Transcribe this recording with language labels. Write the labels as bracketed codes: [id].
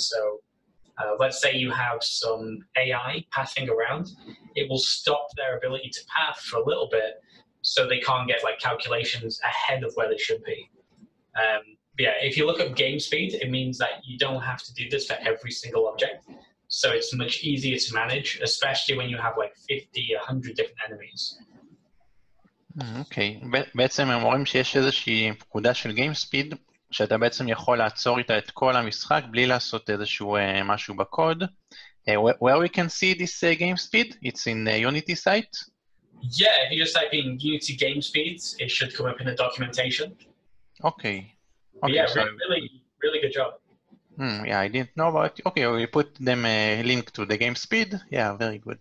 [en] So let's say you have some AI pathing around, it will stop their ability to path for a little bit. So they can't get like calculations ahead of where they should be. Yeah, if you look up game speed, it means that you don't have to do this for every single object. So it's much easier to manage, especially when you have like 50, 100 different enemies. [he] Okay, בעצם הם אומרים שיש איזושהי פקודה של game speed, שאתה בעצם יכול לעצור איתה את כל המשחק בלי לעשות איזשהו משהו בקוד. [en] Where we can see this game speed? It's in the Unity site. Yeah, if you just type in Unity game speeds, it should come up in the documentation. Okay. Okay, yeah, so really, really good job. Yeah, I didn't know about. Okay, we put them a link to the game speed. Yeah, very good.